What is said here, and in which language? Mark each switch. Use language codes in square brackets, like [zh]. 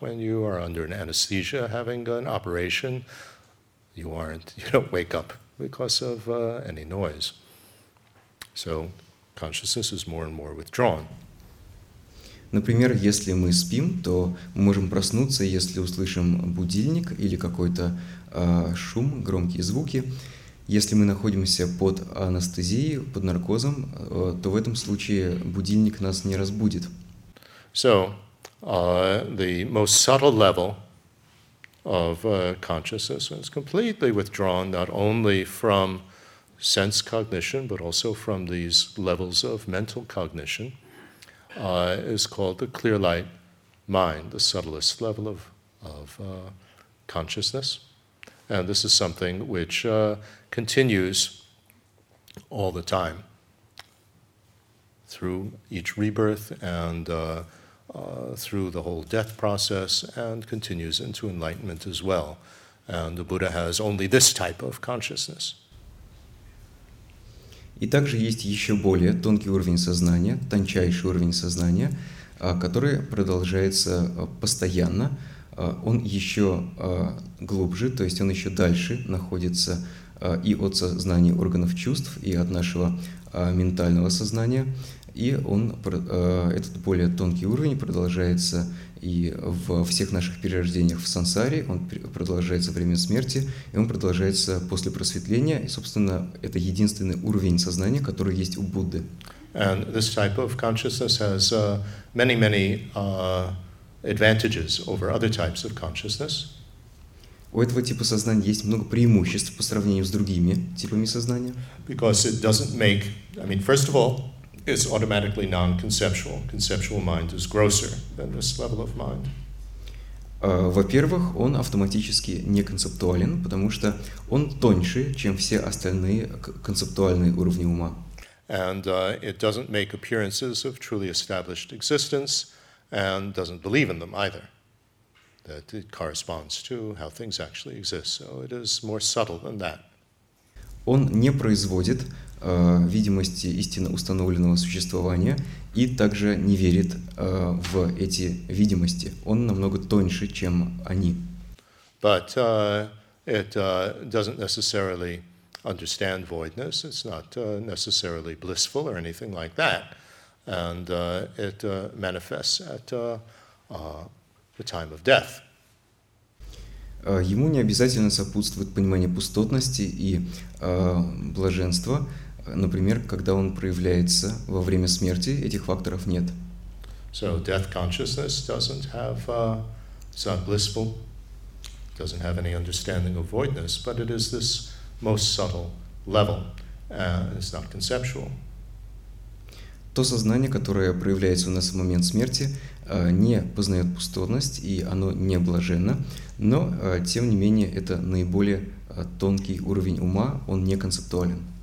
[en] When you are under an anesthesia having an operation, you don't wake up because of any noise. So consciousness is more and more withdrawn. [ru] Например, если мы спим, то мы можем проснуться, если услышим будильник или какой-то шум, громкие звуки. Если мы находимся под анестезией, под наркозом, то в этом случае будильник нас не разбудит. [en] So, the most subtle level of consciousness is completely withdrawn not only from sense cognition, but also from these levels of mental cognition, is called the clear light mind, the subtlest level of consciousness. And this is something which continues all the time through each rebirth and through the whole death process and continues into enlightenment as well. And the Buddha has only this type of consciousness. [ru] И также есть еще более тонкий уровень сознания, тончайший уровень сознания, который продолжается постоянно. Он еще глубже, то есть он еще дальше находится и от сознания органов чувств, и от нашего ментального сознания. И он, этот более тонкий уровень продолжается и во всех наших перерождениях в сансаре, он продолжается во время смерти, и он продолжается после просветления. И, собственно, это единственный уровень сознания, который есть у Будды. [en] And this type of consciousness has many advantages over other types of consciousness. [ru] У этого типа сознания есть много преимуществ по сравнению с другими типами сознания. [en] Because it doesn't make... I mean, first of all, is automatically non-conceptual. Conceptual mind is grosser than this level of mind. [ru] Во-первых, он автоматически не концептуален, потому что он тоньше, чем все остальные концептуальные уровни ума. [en] And it doesn't make appearances of truly established existence and doesn't believe in them either. That it corresponds to how things actually exist. So it is more subtle than that. [ru] Он не производит видимости истинно установленного существования и также не верит в эти видимости. Он намного тоньше, чем они. [en] But it doesn't necessarily understand voidness. It's not necessarily blissful or anything like that. And it manifests at the time of death. [ru] Ему не обязательно сопутствует понимание пустотности и блаженства, например, когда он проявляется во время смерти, этих факторов нет. [en] So death consciousness doesn't have, it's not blissful, doesn't have any understanding of voidness, but it is this most subtle level, it's not conceptual. [ru] То сознание, которое проявляется у нас в момент смерти, не познает пустотность, и оно не блаженно, но, тем не менее, это наиболее тонкий уровень ума, он не концептуален.